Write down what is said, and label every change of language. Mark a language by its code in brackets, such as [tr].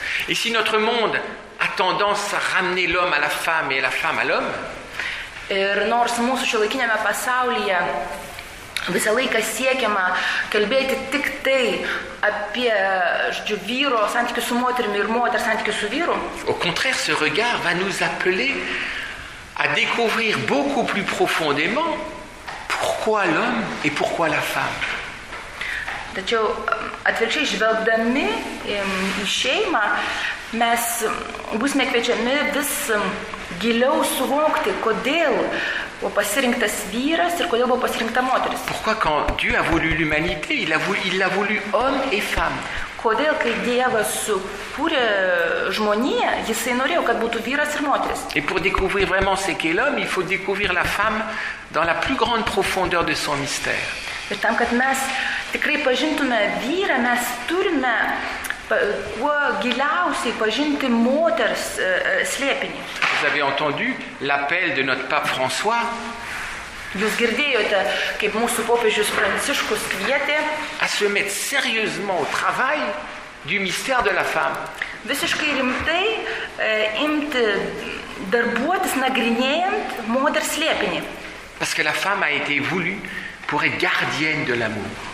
[fr] Et si notre monde a tendance à ramener l'homme à la femme et la femme à l'homme? [lt] Ir nors mūsų šiuolaikiniame pasaulyje visą laiką siekiama kalbėti tik tai apie žodžiu, vyro santykių su moterimi ir moterų santykių su vyru. [fr] Au contraire, ce regard va nous appeler à découvrir beaucoup plus profondément pourquoi l'homme et pourquoi la femme. [lt] Tačiau atvirkščiai žvelgdami į šeimą, mes būsime kviečiami vis giliau suvokti, kodėl buvo pasirinktas vyras ir kodėl buvo pasirinkta moteris. [fr] Pourquoi quand Dieu a voulu l'humanité, il a voulu homme et femme. [lt] Kodėl kai Dievas sukūrė žmoniją, jisai norėjo, kad būtų vyras ir moteris. [fr] Et pour découvrir vraiment ce qu'est l'homme, il faut découvrir la femme dans la plus grande profondeur de son mystère. [lt] Ir tam, kad mes tikrai pažintume vyrą, mes turime kuo giliausiai pažinti moters slėpinį. [fr] Vous avez entendu l'appel de notre pape François? [lt] Jūs girdėjote, kaip mūsų popiežius Pranciškus kvietė [fr] à se mettre sérieusement au travail du mystère de la femme. [lt] Visiškai rimtai imti darbuotis nagrinėjant moters slėpinį. [fr] Parce que la femme a été voulue pour être gardienne de l'amour.